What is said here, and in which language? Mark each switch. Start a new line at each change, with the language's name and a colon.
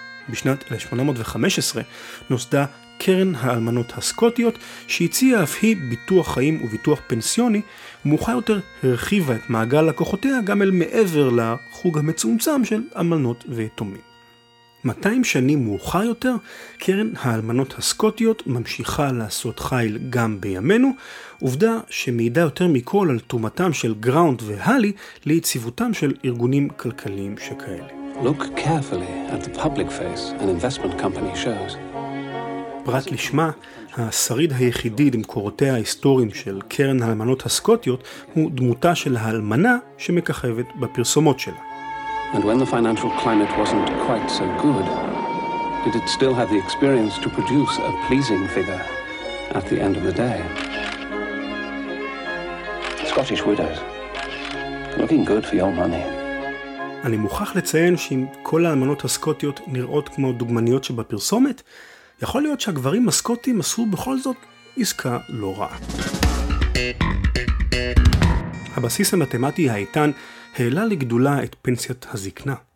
Hebrew: בשנת 1815 נוסדה קרן האלמנות הסקוטיות שהציעה אף היא ביטוח חיים וביטוח פנסיוני, ומאוחר יותר הרחיבה את מעגל לקוחותיה גם אל מעבר לחוג המצומצם של אלמנות ויתומים. 200 שנים מאוחר יותר, קרן האלמנות הסקוטיות ממשיכה לעשות חיל גם בימינו, עובדה שמעידה יותר מכל על תומתם של גראונט והלי ליציבותם של ארגונים כלכליים שכאלה.
English: Look carefully at the public face an investment company shows.
Hebrew: פרט לשמה, השריד היחידי למקורותיה ההיסטוריים של קרן האלמנות הסקוטיות הוא דמותה של האלמנה שמככבת בפרסומות שלה.
English: And when the financial climate wasn't quite so good, did it still have the experience to produce a pleasing figure at the end of the day? Scottish widows, looking good for your money.
Hebrew: אני מוכרח לציין שאם כל האלמנות הסקוטיות נראות כמו דוגמניות שבפרסומת, יכול להיות שהגברים הסקוטים עשו בכל זאת עסקה לא רעה. הבסיס המתמטי האיתן העלה לגדולה את פנסיית הזקנה.